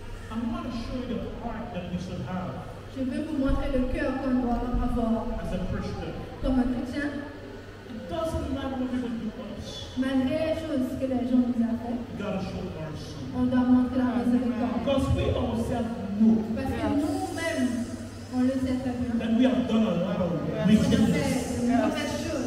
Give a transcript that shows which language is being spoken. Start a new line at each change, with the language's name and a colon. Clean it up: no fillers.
English: I'm going to show you the heart that we should have.
French: Je vais vous montrer le cœur qu'on doit avoir.
English: As a Christian.
French: Comme un chrétien.
English: It doesn't matter what people do to us.
French: Malgré les choses que les gens nous ont fait.
English: You gotta show mercy.
French: On doit montrer la miséricorde.
English: Because we ourselves know.
French: Parce que nous-mêmes, on le sait très bien.
English: And we have done a lot of wickedness.